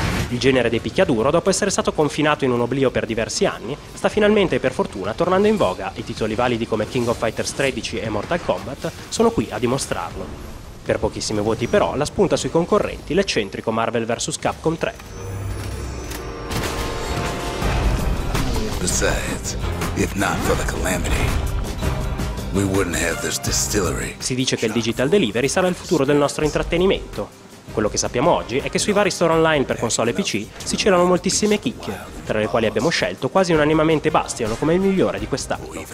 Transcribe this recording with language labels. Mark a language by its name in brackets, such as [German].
[Italian] Il genere dei picchiaduro, dopo essere stato confinato in un oblio per diversi anni, sta finalmente per fortuna tornando in voga e titoli validi come King of Fighters 13 e Mortal Kombat sono qui a dimostrarlo. Per pochissimi voti però, la spunta sui concorrenti l'eccentrico Marvel vs. Capcom 3. [English] Besides, if not for the calamity, we wouldn't have this distillery. [Italian] Si dice che il digital delivery sarà il futuro del nostro intrattenimento. Quello che sappiamo oggi è che sui vari store online per console e PC si celano moltissime chicche, tra le quali abbiamo scelto quasi unanimemente Bastion come il migliore di quest'anno.